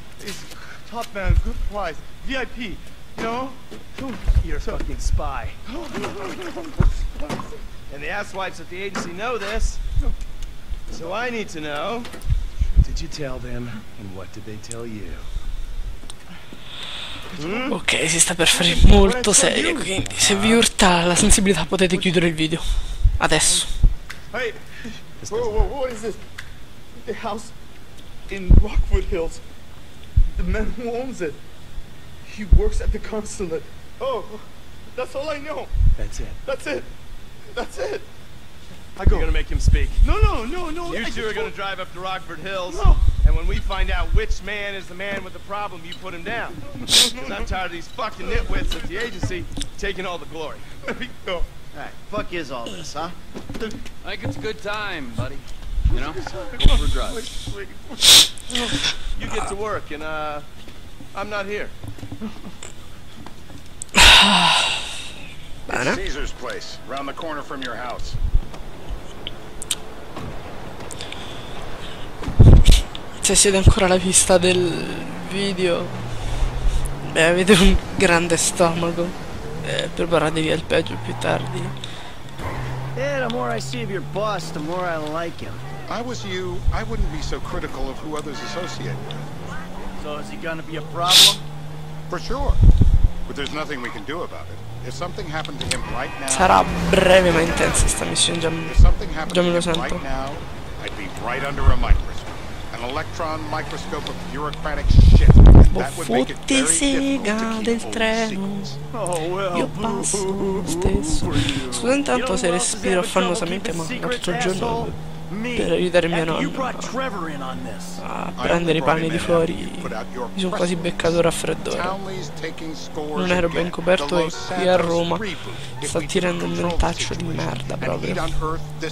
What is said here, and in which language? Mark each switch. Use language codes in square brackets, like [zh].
[en] It's top man, good price, VIP, you know? You're a fucking spy. And the asswipes at the agency know this. So I need to know, did you tell them, and what did they tell you? [it] Ok, si sta per fare molto serio, quindi se vi urta la sensibilità potete chiudere il video. Adesso. [en] Hey, whoa, what is this? the house in Rockwood Hills. The man who owns it, he works at the consulate. Oh, that's all I know. That's it. That's it. That's it. I go. You're gonna make him speak. No. You two are gonna drive up to Rockford Hills. No. And when we find out which man is the man with the problem, you put him down. Because I'm tired of these fucking nitwits at the agency taking all the glory. Let me go. Alright, fuck is all this, huh? I think it's a good time, buddy. You know? For drugs. You get to work, and I'm not here. It's Caesar's place, around the corner from your house. [it] Se siete ancora alla pista del video, beh, avete un grande stomaco. Preparatevi al peggio più tardi. [en] Yeah, the more I see of your boss, the more I like him. I was you, I wouldn't be so critical of who others associate with. So is he gonna be a problem? For sure. But there's nothing we can do about it. If something happened to him right now. [it] Sarà breve ma intensa sta missione, già me lo sento. [en] I'd be right under a microscope. An electron microscope of bureaucratic shit, and that would make it very difficult to keep old sequels. Oh, well, [it] io passo lo stesso. Scusa intanto se respiro affannosamente, ma ho tutto il giorno per aiutare mio nonno a prendere i panni di fuori. Mi sono quasi beccato il raffreddore. Non ero ben coperto e qui a Roma sta tirando un mentaccio di merda proprio.